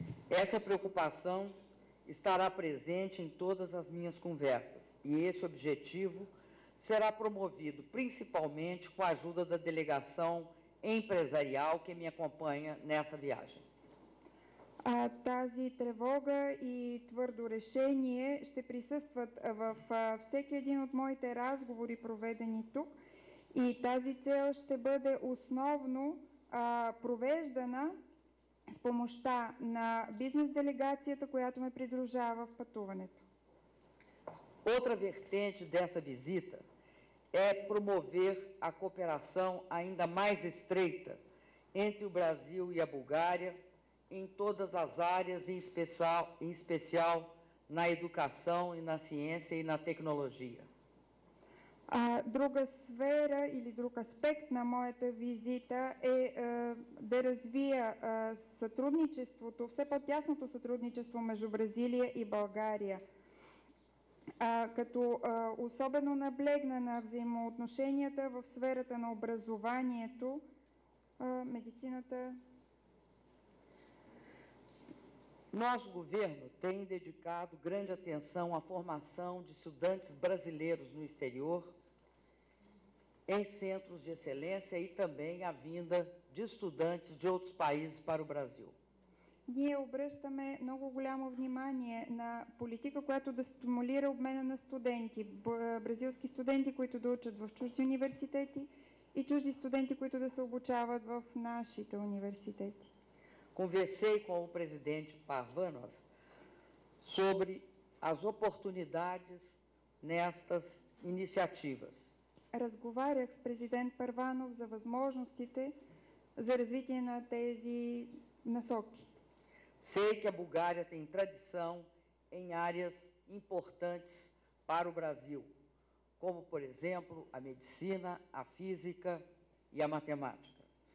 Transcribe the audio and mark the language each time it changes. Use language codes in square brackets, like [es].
[pt] Essa preocupação estará presente em todas as minhas conversas e esse objetivo será promovido principalmente com a ajuda da delegação empresarial que me acompanha nessa viagem. [bg] Тази тревога и твърдо решение ще присъстват във всеки един от моите разговори, проведени тук, и тази цел ще бъде основно провеждана с помощта на бизнес делегацията, която ме придружава в пътуването. [pt] Outra vertente dessa visita é promover a cooperação ainda mais estreita entre o Brasil e a Bulgária em todas as áreas, em especial na educação e na ciência e na tecnologia. [bg] Друга сфера или друг аспект на моята визита е да развия сътрудничеството, все по-тясното сътрудничество между Бразилия и България, като особено наблегна на взаимоотношенията в сферата на образованието, медицината. [pt] Nosso governo tem dedicado grande atenção à formação de estudantes brasileiros no exterior, em centros de excelência e também a vinda de estudantes de outros países para o Brasil. [bg] Ние обръщаме много голямо внимание на политика, която да стимулира обмена на студенти, бразилски студенти, които да учат в чужди университети, и чужди студенти, които да се обучават в нашите университети. [pt] Conversei com o presidente Parvanov sobre as oportunidades nestas iniciativas. [bg] Разговарях с президент Парванов за възможностите за развитие на тези насоки. [pt] Sei que a Bulgária tem tradição em áreas importantes para o Brasil, como, por exemplo, a medicina, a física e a matemática.